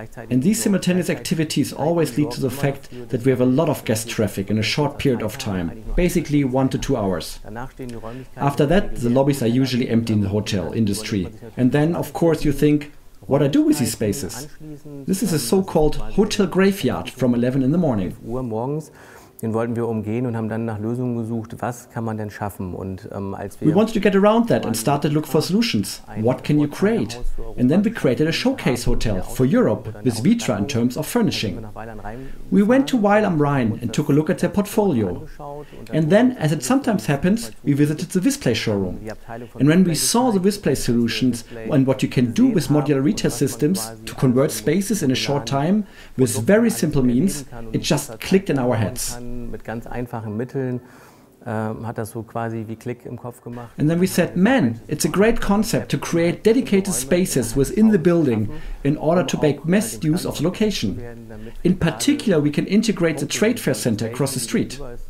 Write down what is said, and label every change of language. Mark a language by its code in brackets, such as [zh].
[en] And these simultaneous activities always lead to the fact that we have a lot of guest traffic in a short period of time, basically 1 to 2 hours. After that, the lobbies are usually empty in the hotel industry. And then, of course, you think, what I do with these spaces? This is a so-called hotel graveyard from 11 in the morning. [de] Den wollten wir umgehen und haben dann nach Lösungen gesucht. Was kann man denn schaffen? Und als wir [en] wanted to get around that and started look for solutions. What can you create? And then we created a showcase hotel for Europe with Vitra in terms of furnishing. We went to Weil am Rhein and took a look at their portfolio. And then, as it sometimes happens, we visited the Wisplay showroom. And when we saw the Wisplay solutions and what you can do with modular retail systems to convert spaces in a short time with very simple means, it just clicked in our heads. [de] Mit ganz einfachen Mitteln hat das so quasi wie Klick im Kopf gemacht. [en] And then we said, man, it's a great concept to create dedicated spaces within the building in order to make mass use of the location. In particular, we can integrate the trade fair center across the street.